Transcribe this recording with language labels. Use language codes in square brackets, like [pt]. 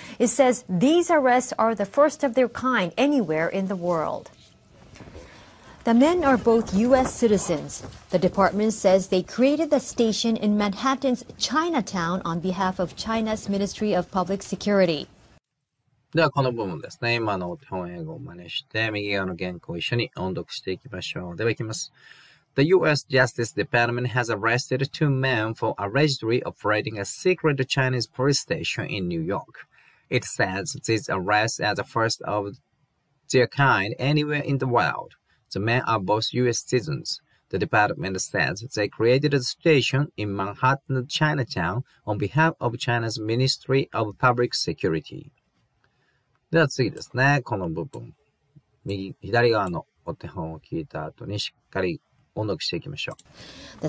[en] It says these arrests are the first of their kind anywhere in the world. The men are both U.S. citizens. The department says they created the station in Manhattan's Chinatown on behalf of China's Ministry of Public Security. [ja] ではこの部分ですね。今のお手本英語を真似して右側の原稿を一緒に音読していきましょう。では行きます。 [en] The U.S. Justice Department has arrested two men for allegedly operating a secret Chinese police station in New York. It says these arrests are the first of their kind anywhere in the world. The men are both U.S. citizens. The department says they created a station in Manhattan, Chinatown on behalf of China's Ministry of Public Security. [ja] では次ですね。この部分。右、左側のお手本を聞いた後にしっかり音読していきましょう。